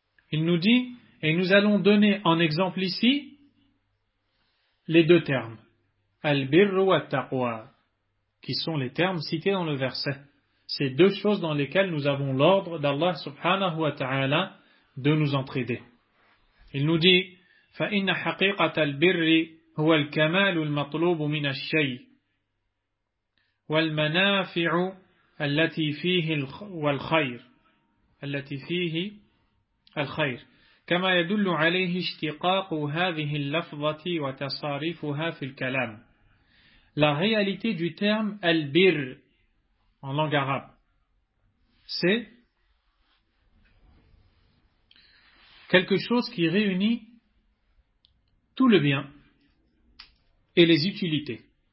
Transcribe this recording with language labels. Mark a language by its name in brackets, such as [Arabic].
[French] Il nous dit, et nous allons donner en exemple ici, les deux termes, al-birru wa taqwa, qui sont les termes cités dans le verset. Ces deux choses dans lesquelles nous avons l'ordre d'Allah subhanahu wa ta'ala de nous entraider. Il nous dit, [Arabic] فَإِنَّ حَقِيقَةَ الْبِرِّ هُوَ الْكَمَالُ الْمَطْلُوبُ مِنَ الشَّيْءِ وَالْمَنَافِعُ الَّتِي فِيهِ وَالْخَيْرِ الَّتِي فِيهِ الخير كما يدل عليه اشتقاق هذه اللفظة وتصاريفها في الكلام. [French] La réalité du terme al-bir en langue arabe, c'est quelque chose qui réunit tout le bien et les utilités.